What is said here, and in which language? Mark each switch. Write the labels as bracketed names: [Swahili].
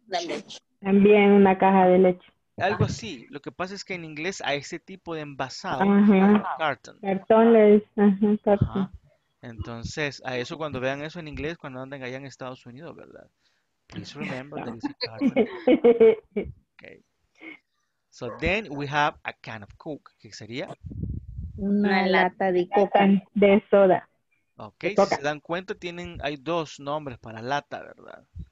[Spanish] De leche. También una caja de leche. Algo así. Lo que pasa es que en inglés a ese tipo de envasado, carton. Cartón le dice. Entonces, a eso cuando vean eso en inglés, cuando anden allá en Estados Unidos, ¿verdad? [English] Please remember that it's a carton. Okay. So then we have a can of Coke. [Spanish] ¿Qué sería? Una lata de Coca. De soda. Ok. De Coca. Si se dan cuenta, hay dos nombres para lata, ¿verdad?